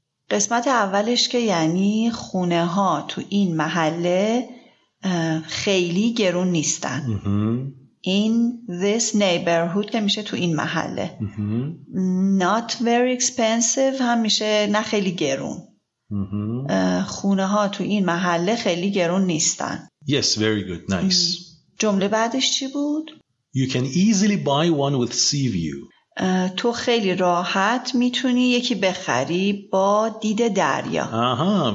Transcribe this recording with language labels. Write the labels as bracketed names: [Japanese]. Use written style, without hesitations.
[Persian] قسمت اولش که یعنی خونه ها تو این محله خیلی گرون نیستن. [English] In this neighborhood [Persian] که میشه تو این محله. [English] Not very expensive [Persian] هم میشه نه خیلی گرون. خونه ها تو این محله خیلی گرون نیستن. [English] Yes, very good, nice. [Persian] جمله بعدش چی بود؟ [English] You can easily buy one with sea view. [Persian] تو خیلی راحت میتونی یکی بخری با دید دریا.